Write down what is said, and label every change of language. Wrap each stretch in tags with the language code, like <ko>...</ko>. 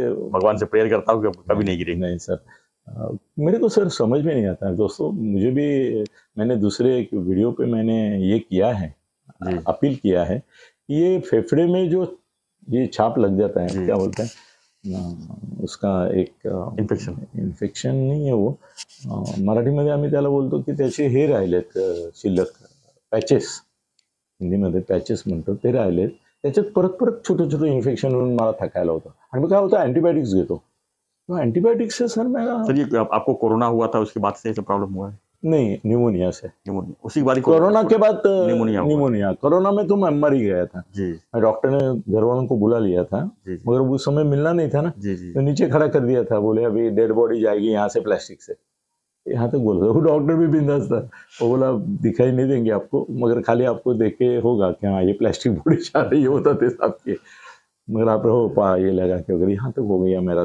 <hi>भगवान से प्रेयर करता हूँ कि कभी नहीं गिरेंगे। नहीं सर मेरे को सर समझ में नहीं आता है दोस्तों, मुझे भी मैंने दूसरे एक वीडियो पे मैंने ये किया है जी, अपील किया है, ये फेफड़े में जो ये छाप लग जाता है, क्या बोलते हैं उसका एक इन्फेक्शन,</hi> <mr>इन्फेक्शन नहीं है वो मराठी मध्ये आम्ही त्याला बोलतो की त्याचे हे राहिलेत शिल्लक पॅचेस, हिंदी मध्ये पॅचेस म्हणतो, ते राहिलेत त्याच्यात परत परत छोटे छोटे इन्फेक्शन होऊन मला थकायला होतं, आणि मग काय होतं अँटीबायोटिक्स घेतो, अँटीबायोटिक्स से सर मला</mr> <hi>सर ये आपको कोरोना हुआ था उसके बाद से ऐसा प्रॉब्लम हुआ है? नहीं निमोनिया से, निमोनिया उसी के बाद कोरोना के बाद निमोनिया, निमोनिया कोरोना में तो मैं मर ही गया था जी, डॉक्टर ने घर वालों को बुला लिया था जी, मगर उस समय मिलना नहीं था ना जी, जी तो नीचे खड़ा कर दिया था, बोले अभी डेड बॉडी जाएगी यहाँ से प्लास्टिक से यहाँ तक, बोला वो डॉक्टर भी बिंदास था, वो बोला दिखाई नहीं देंगे आपको मगर खाली आपको देख के होगा कि हाँ ये प्लास्टिक बॉडी जा रही है, होता थे आपके मगर आप रहो पा ये लगा के अगर यहाँ तक हो गया मेरा,</hi>